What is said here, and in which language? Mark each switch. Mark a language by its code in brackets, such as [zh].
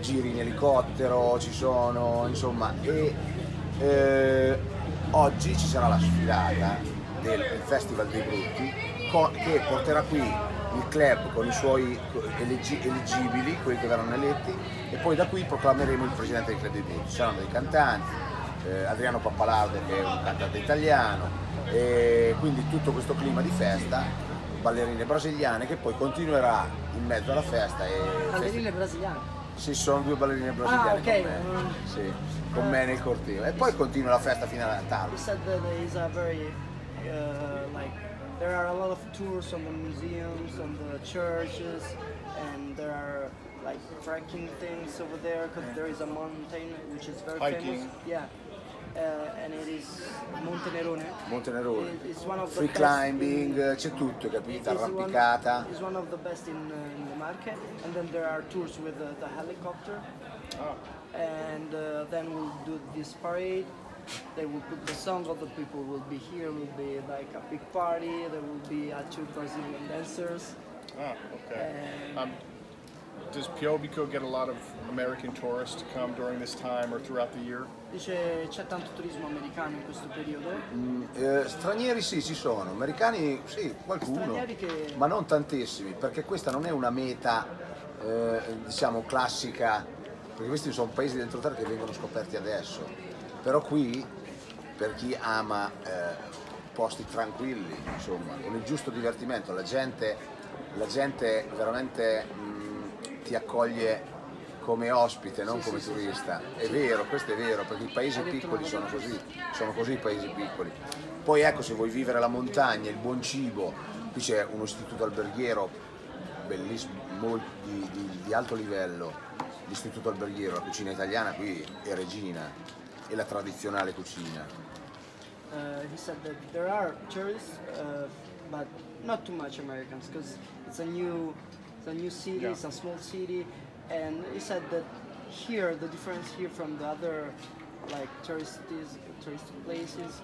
[it] Giri in elicottero ci sono, insomma, e oggi ci sarà la sfilata del Festival dei Brutti che porterà qui il club con i suoi elegibili, quelli che verranno eletti, e poi da qui proclameremo il presidente del Club dei Brutti. Ci saranno dei cantanti, Adriano Pappalardo, che è un cantante italiano, e quindi tutto questo clima di festa, ballerine brasiliane che poi continuerà in mezzo alla festa. E ballerine brasiliane? Sì, sono due ballerine brasiliane [en] okay. [it] con me. Sì, con me nel cortile. E poi continua la festa fino alla tardi. [en] You said that there is a very like there are a lot of tours on the museums and the churches and there are like trekking things over there because there is a mountain which is very hiking. Famous. Yeah. And it is Monte Nerone. Monte Nerone. It's one of the free climbing, [it] c'è tutto, capito? Arrampicata. [en] It's one of the best in the Marche. And then there are tours with the helicopter. Oh. And then we'll do this parade. They will put the song, all the people will be here, will be like a big party. There will be a 2 Brazilian dancers. Oh, okay. Does Piobico get a lot of American tourists to come during this time or throughout the year? [it] Dice c'è tanto turismo americano in questo periodo? Stranieri sì, ci sono. Americani sì, qualcuno. Stranieri che... Ma non tantissimi, perché questa non è una meta diciamo classica, perché questi sono paesi d'entroterra che vengono scoperti adesso. Però qui, per chi ama posti tranquilli, insomma, con il giusto divertimento, la gente veramente ti accoglie come ospite, non sì, come sì, turista. Sì. È vero, questo è vero, perché i paesi piccoli sono così i paesi piccoli. Poi ecco, se vuoi vivere la montagna, il buon cibo, qui c'è un istituto alberghiero bellissimo, di alto livello, l'istituto alberghiero, la cucina italiana qui è regina, è la tradizionale cucina. [en] He said that there are tourists, but not too much Americans, because it's a new city, yeah. It's a small city, and he said that here, the difference here from the other like tourist places